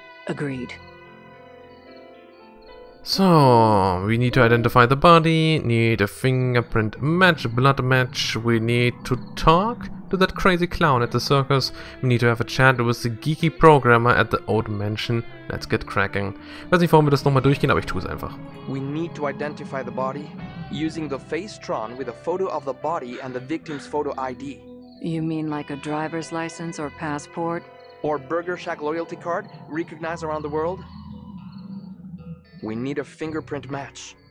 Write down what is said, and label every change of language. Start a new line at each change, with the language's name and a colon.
English: Agreed. So, we need to identify the body, need a fingerprint match, blood match, we need to talk to that crazy clown at the circus, we need to have a chat with the geeky programmer at the old mansion. Let's get cracking.
German: Ich weiß nicht, warum wir das nochmal durchgehen, aber ich tue es einfach.
English: We need to identify the body using the Facetron with a photo of the body and the victim's photo ID. You mean like a driver's license or passport? Or Burger Shack loyalty card, recognized around the world? We need a fingerprint match.